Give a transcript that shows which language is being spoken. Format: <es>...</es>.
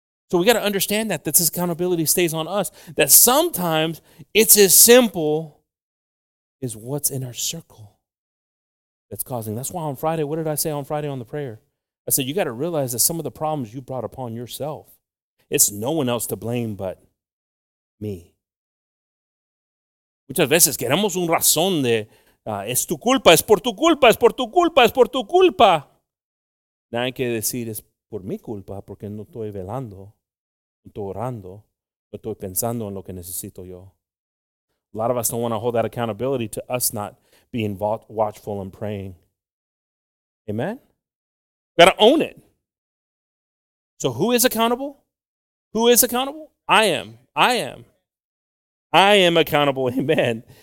<en>So we got to understand that this accountability stays on us. That sometimes it's as simple as what's in our circle. That's causing. That's why on Friday, what did I say on Friday on the prayer? I said, you got to realize that some of the problems you brought upon yourself, it's no one else to blame but me.</en> <es>Muchas veces queremos un razón de, es tu culpa, es por tu culpa, es por tu culpa, es por tu culpa. No hay que decir, es por mi culpa, porque no estoy velando, no estoy orando, no estoy pensando en lo que necesito yo.</es> <en>A lot of us don't want to hold that accountability to us not being watchful and praying. Amen? Got to own it. So who is accountable? Who is accountable? I am. I am. I am accountable. Amen.</en>